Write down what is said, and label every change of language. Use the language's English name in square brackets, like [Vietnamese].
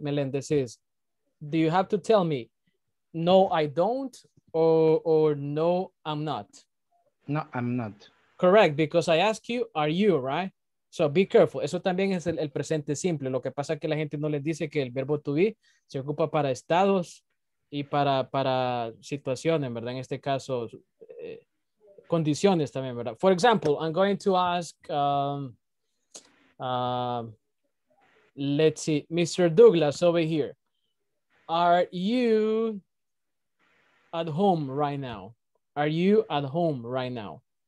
[English] Melendez, is, do you have to tell me, no, I don't, or no, I'm not? No, I'm not. Correct, because I ask you, are you, right? So be careful. [Spanish] Eso también es el presente simple. Lo que pasa es que la gente no les dice que el verbo to be se ocupa para estados y para situaciones, ¿verdad? En este caso, condiciones también, ¿verdad? [English] For example, I'm going to ask, let's see, Mr. Douglas over here. Are you at home right now? Are you at home right now?